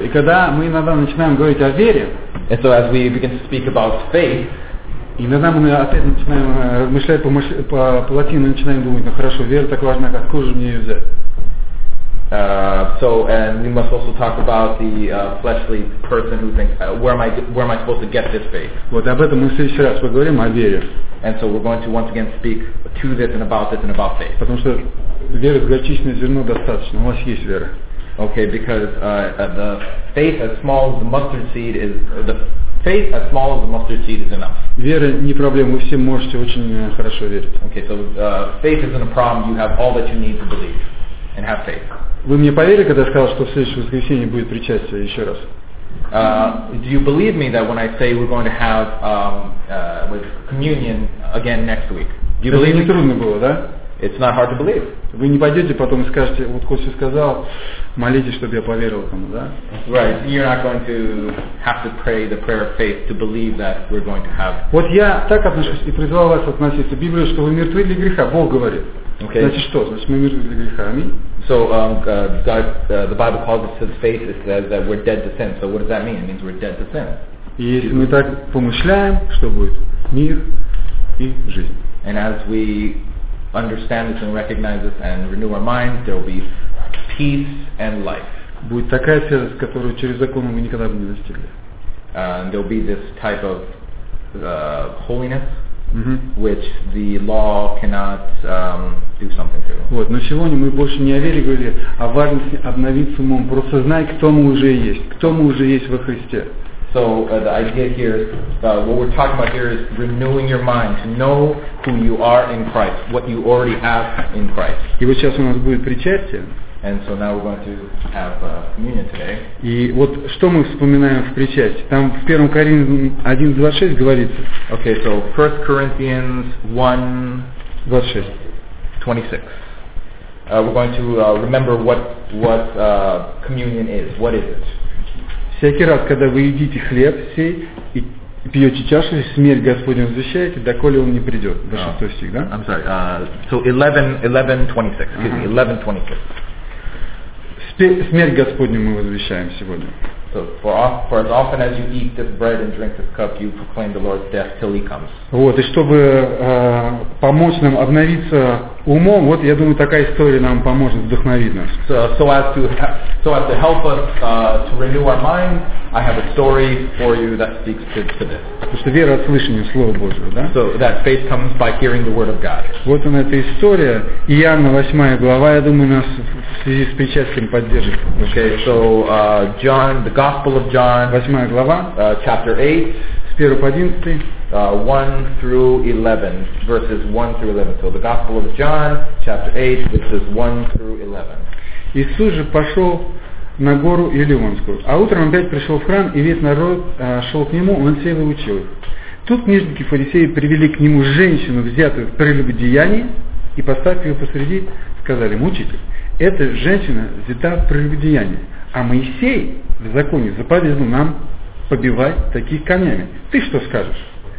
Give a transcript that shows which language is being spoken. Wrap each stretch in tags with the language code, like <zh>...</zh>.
<ru>И когда мы иногда начинаем говорить о вере,</ru> <en>and so as we begin to speak about faith,</en> <ru>иногда мы опять начинаем размышлять по плотину, начинаем думать, ну хорошо, вера так важна, как кожу мне ее взять?</ru> <en>So and we must also talk about the fleshly person who thinks where am I supposed to get this faith?</en> <ru>Вот об этом мы в следующий раз поговорим о вере.</ru> <en>And so we're going to once again speak to this and about faith.</en> <ru>Потому что веры в горчичное зерно достаточно. У вас есть вера.</ru> <en>Okay, because the faith as small as the mustard seed is the faith as small as the mustard seed is enough.</en> <ru>Вера не проблема. Вы все можете очень хорошо верить.</ru> <en>Okay, so faith isn't a problem. You have all that you need to believe and have faith.</en> <ru>Вы мне поверили, когда я сказал, что в следующее воскресенье будет причастие еще раз?</ru> <en>Do you believe me that when I say we're going to have with communion again next week? Do you</en> <ru>это</ru> <en>believe</en> <ru>не трудно было, да?</ru> <en>It's not hard to believe.</en> <ru>Вы не пойдете потом и скажете, вот Костя сказал, молитесь, чтобы я поверил кому, да?</ru> <en>Right. You're not going to have to pray the prayer of faith to believe that we're going to have.</en> <ru>Вот я так отношусь и призвал вас относиться. Библия, что вы мертвы для греха, Бог говорит.</ru> <en>Okay.</en> <ru>Значит что? Значит мы мертвы для греха. Аминь.</ru> <en>So the Bible calls us to faith. It says that we're dead to sin. So what does that mean? It means we're dead to sin.</en> <ru>И если мы так помышляем, что будет? Мир и жизнь.</ru> <en>And as we understand this and recognize this and renew our minds, there will be peace and life.</en> <ru>Будет такая святость, которую через закон мы никогда бы не достигли.</ru> <en>There will be this type of holiness, mm-hmm. which the law cannot do something to.</en> <ru>Вот, но сегодня мы больше не о вере говорили, а о важности обновиться умом. Просто знай, кто мы уже есть. Кто мы уже есть во Христе.</ru> <en>So the idea here is what we're talking about here is renewing your mind to know who you are in Christ, what you already have in Christ.</en> <ru>И вот сейчас у нас будет причастие.</ru> <en>And so now we're going to have communion today.</en> <ru>И вот что мы вспоминаем в причастии? Там в 1 Коринфянам 1:26 говорится.</ru> <en>Okay, so 1 Corinthians 1:26. We're going to remember what communion is. What is it?</en> <ru>Всякий раз, когда вы едите хлеб сей и пьете чашу, смерть Господню возвещаете, доколе он не придет. До 6 стих, да?</ru> <en>I'm sorry. So 11:26. Excuse me, 11:26.</en> <ru>Смерть Господню мы возвещаем сегодня.</ru> <en>So for as often as you eat this bread and drink this cup, you proclaim the Lord's death till he comes.</en> <ru>Вот, и чтобы помочь нам обновиться умом, вот я думаю, такая история нам поможет вдохновить нас.</ru> <en>So as to help us to renew our mind, I have a story for you that speaks to this.</en> <ru>Потому что вера от слышания Слова Божьего, да?</ru> <en>So that faith comes by hearing the word of God.</en> <ru>Вот она эта история, Иоанна 8 глава, я думаю, нас в связи с причастием поддержит.</ru> <en>Okay, so John, the Gospel of John,</en> <ru>8 глава,</ru> <en>chapter 8,</en> <ru>с 1 по 11,</ru> <en>1 through 11, verses 1 through 11. So the Gospel of John, chapter 8, verses 1 through 11.</en> <ru>Иисус же пошел на гору Елеонскую, а утром опять пришел в храм, и весь народ шел к нему, он все его учил. Тут книжники фарисеи привели к нему женщину, взятую в прелюбодеянии, и поставив ее посреди, сказали: «Мучитель, эта женщина взята в прелюбодеянии, а Моисей в законе заповедал нам побивать таких камнями. Ты что скажешь?»</ru>